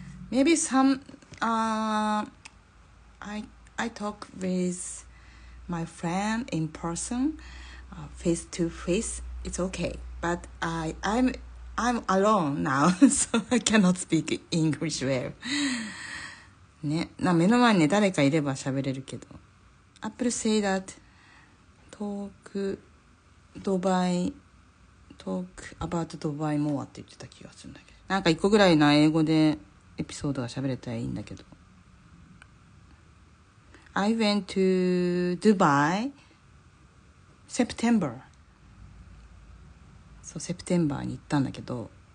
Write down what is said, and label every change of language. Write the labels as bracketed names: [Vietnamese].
[English] Maybe some I talk with my friend in person, face to face. It's okay, but I'm alone now, so I cannot speak English well. [Japanese] ね、な目の前に誰かいれば喋れるけど。 [English] Apple say that talk Dubai, talk about Dubai more [Japanese] って言ってた気がするんだけど。なんか一個ぐらいな英語でエピソードが喋れたらいいんだけど。 [English] I went to Dubai September. [Japanese] そう、セプテンバーに行ったんだけど。